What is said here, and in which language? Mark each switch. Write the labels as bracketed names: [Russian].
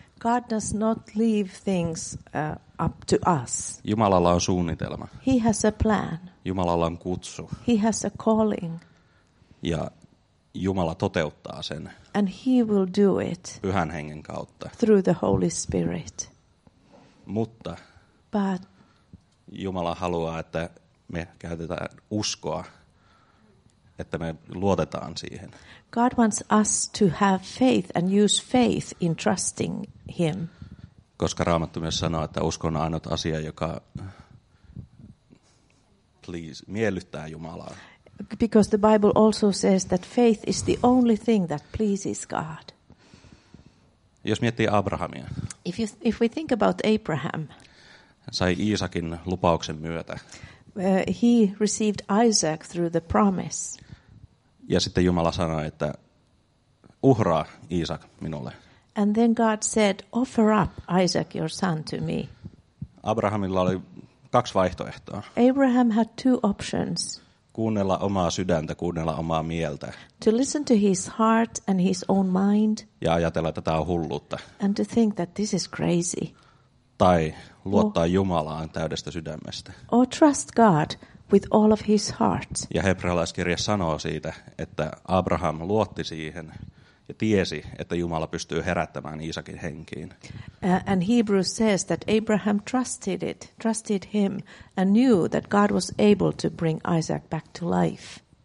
[English] God does not leave things up to us. [Finnish] Jumalalla on suunnitelma. [English] He has a plan. [Finnish] Jumalalla on kutsu. [English] He has a calling. [Finnish] Ja Jumala toteuttaa sen. [English] And he will do it. [Finnish] Pyhän Hengen kautta. [English] Through the Holy Spirit. [Finnish] Mutta [English] but [Finnish] Jumala haluaa, että me käytetään uskoa, että me luotetaan siihen. [English] God wants us to have faith and use faith in trusting him. [Finnish] Koska Raamattu myös sanoo, että usko on ainut asia, joka [English] please [Finnish] miellyttää Jumalaa. [English] Because the Bible also says that faith is the only thing that pleases God. [Finnish] Jos miettii Abrahamia. [English] If we think about Abraham. [Finnish] Sai Iisakin lupauksen myötä. [English] He received Isaac through the promise. [Finnish] Ja sitten Jumala sanoi, että uhraa Iisak minulle. [English] And then God said, offer up Isaac your son to me. [Finnish] Abrahamilla oli kaksi vaihtoehtoa. [English] Abraham had two options. [Finnish] Kuunnella omaa sydäntä, kuunnella omaa mieltä. [English] To listen to his heart and his own mind. [Finnish] Ja ajatella, että tämä on hulluutta. [English] And to think that this is crazy. [Finnish] Tai luottaa Jumalaan täydestä sydämestä. [English] Or trust God with all of his heart. [Finnish] Ja hebrealaiskirja sanoo siitä, että Abraham luotti siihen ja tiesi, että Jumala pystyy herättämään Iisakin henkiin. [English] And Hebrews says that Abraham trusted it, trusted him and knew that God was able to bring Isaac back to life.